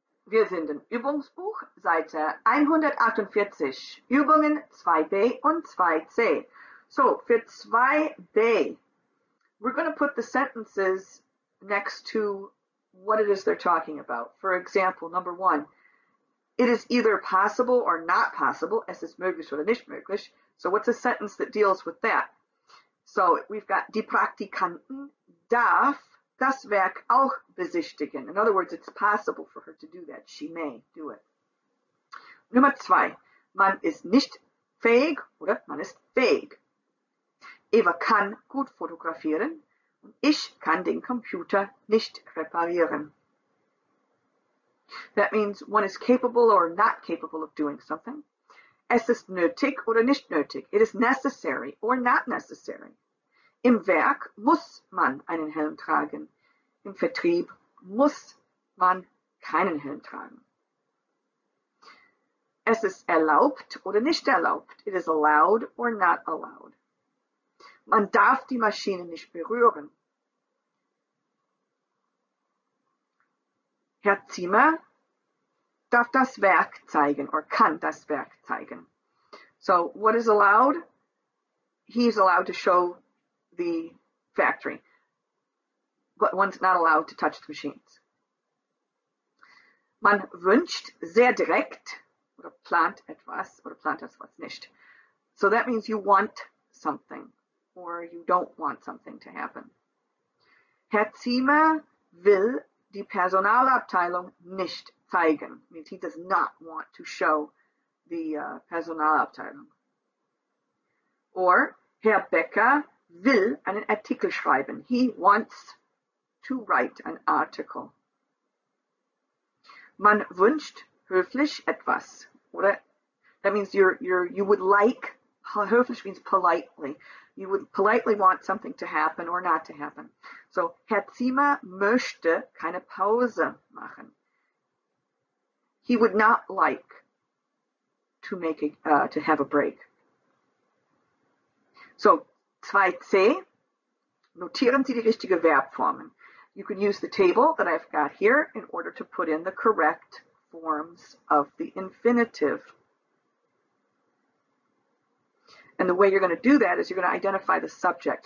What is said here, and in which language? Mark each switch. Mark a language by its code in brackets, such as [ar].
[de] Wir sind im Übungsbuch, Seite 148, Übungen 2b und 2c. [en] So, [de] für [en] 2b, we're going to put the sentences next to what it is they're talking about. For example, number one, it is either possible or not possible. [de] Es ist möglich oder nicht möglich. [en] So what's a sentence that deals with that? So we've got, [de] die Praktikanten darf das Werk auch besichtigen. [en] In other words, it's possible for her to do that. She may do it. [de] Nummer zwei. Man ist nicht fähig oder man ist fähig. Eva kann gut fotografieren und ich kann den Computer nicht reparieren. [en] That means one is capable or not capable of doing something. [de] Es ist nötig oder nicht nötig. [en] It is necessary or not necessary. [de] Im Werk muss man einen Helm tragen. Im Vertrieb muss man keinen Helm tragen. Es ist erlaubt oder nicht erlaubt. [en] It is allowed or not allowed. [de] Man darf die Maschine nicht berühren. Herr Zimmer darf das Werk zeigen [en] or [de] kann das Werk zeigen. [en] So what is allowed? He's allowed to show the factory, but one's not allowed to touch the machines. [de] Man wünscht sehr direkt oder plant etwas oder plant etwas nicht. [en] So that means you want something or you don't want something to happen. [de] Herr Zimmer will die Personalabteilung nicht zeigen. [en] Means he does not want to show the Personalabteilung. Or [de] Herr Becker will einen Artikel schreiben. [en] He wants to write an article. [de] Man wünscht höflich etwas. Oder? [en] That means you would like, höflich means politely. You would politely want something to happen or not to happen. [de] So, Herr Zimmer möchte keine Pause machen. [en] He would not like to make a, to have a break. [de] So, 2c, notieren Sie die richtige Verbformen. [en] You can use the table that I've got here in order to put in the correct forms of the infinitive. And the way you're going to do that is you're going to identify the subject.